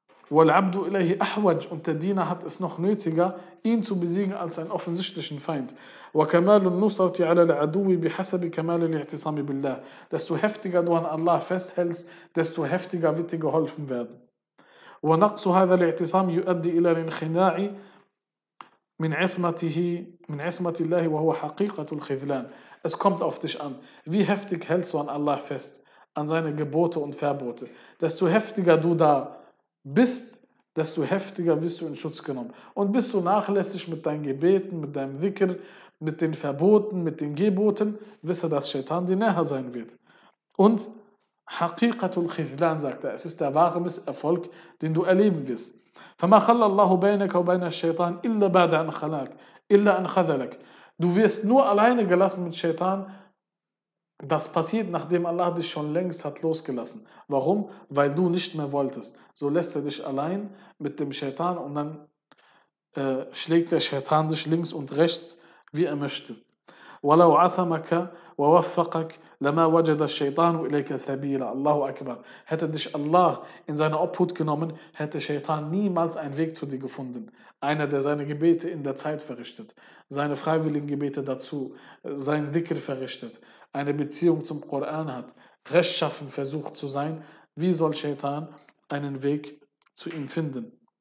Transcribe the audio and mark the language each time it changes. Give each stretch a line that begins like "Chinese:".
Arabic: وَالْعَبْدُ إِلَيْهِ أَحْوَجْ
German: und der Diener hat es noch nötiger, ihn zu besiegen als seinen offensichtlichen Feind.
Arabic: وَكَمَالُ النُّصْرَةِ عَلَى الْعَدُوِّ بِحَسَبِ كَمَالِ الْاِعْتِصَامِ بِاللَّهِ
German: desto heftiger du an Allah festhältst, desto heftiger wird dir geholfen werden.
Arabic: وَنَقْصُ هَذَا الْاِعْتِصَامِ يُؤَدِّ إِلَى الْإِنْخِنَاعِ مِنْ عِصْمَةِ اللَّهِ وَهُوَ حَقِيقَةُ الْخِذْلَانِ
German: es kommt auf dich an. Wie heftig hältst du an Allah fest, an seine Gebote und Verbote? Desto heftiger du da bist, desto heftiger wirst du in Schutz genommen. Und bist du nachlässig mit deinen Gebeten, mit deinem Dhikr, mit den Verboten, mit den Geboten, wisse, dass Shaitan dir näher sein wird. Und Haqiqatul Khidlan, sagt er, es ist der wahre Misserfolg, den du erleben wirst.
Arabic: فَمَا خَلَّ اللَّهُ بَيْنَكَ وَبَيْنَ الشَّيْطَانِ إِلَّا بَعْدَ أَنْ خَلَاكَ إِلَّا أَنْ خَذَلَكَ
German: du wirst nur alleine gelassen mit Shaitan. Das passiert, nachdem Allah dich schon längst hat losgelassen. Warum? Weil du nicht mehr wolltest. So lässt er dich allein mit dem Shaitan und dann schlägt der Shaitan dich links und rechts, wie er möchte.
Arabic: وَلَوْ عَصَمَكَ وَوَفَّقَكَ لَمَا وَجَدَ الشَّيْطَانُ إِلَيْكَ سَبِيلًا Allahu Akbar.
German: Hätte dich Allah in seine Obhut genommen, hätte Shaitan niemals einen Weg zu dir gefunden. Einer, der seine Gebete in der Zeit verrichtet, seine freiwilligen Gebete dazu, sein Dhikr verrichtet, eine Beziehung zum Koran hat, rechtschaffen versucht zu sein, wie soll Shaitan einen Weg zu ihm finden?